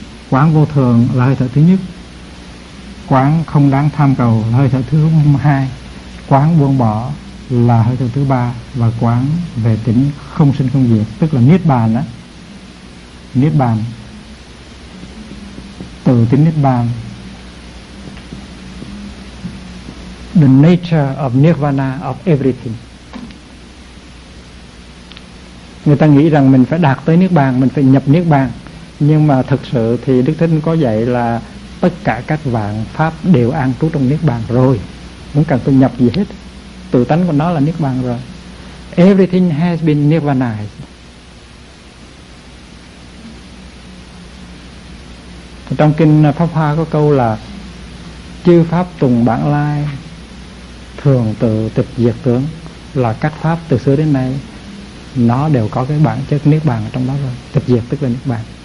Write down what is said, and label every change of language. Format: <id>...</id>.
<vi>Quán vô thường là hơi thở thứ nhất, quán không đáng tham cầu là hơi thở thứ hai, quán buông bỏ là hơi thở thứ ba, và quán về tỉnh không sinh không diệt, tức là niết bàn đó. Niết bàn, từ tính niết bàn.</vi> <en>The nature of nirvana of everything.</en> <vi>Người ta nghĩ rằng mình phải đạt tới niết bàn, mình phải nhập niết bàn. Nhưng mà thực sự thì Đức Thế Tôn có dạy là tất cả các vạn pháp đều an trú trong niết bàn rồi. Không cần phải nhập gì hết. Tự tánh của nó là niết bàn rồi.</vi> <en>Everything has been nirvanized.</en> <vi>Trong kinh Pháp Hoa có câu là chư pháp tùng bản lai, thường tự tịch diệt tướng, là các pháp từ xưa đến nay nó đều có cái bản chất niết bàn ở trong đó rồi. Tịch diệt tức là niết bàn.</vi>